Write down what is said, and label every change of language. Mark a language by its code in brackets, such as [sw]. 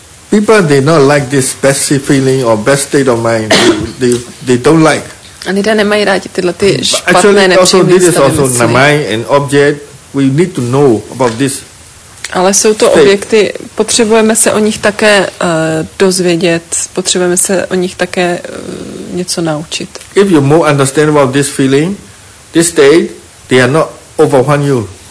[en] People, they not like this best feeling or best state of mind. They don't like. [cs] A lidé nemají rádi tyhle ty špatné, nepříjemné [en] Actually, this is also namai, an object. We need to know about this. [cs] Ale jsou to objekty, potřebujeme se o nich také dozvědět, potřebujeme se o nich také něco naučit. [en] If you more understand about this feeling, this state, they are not overwhelm you.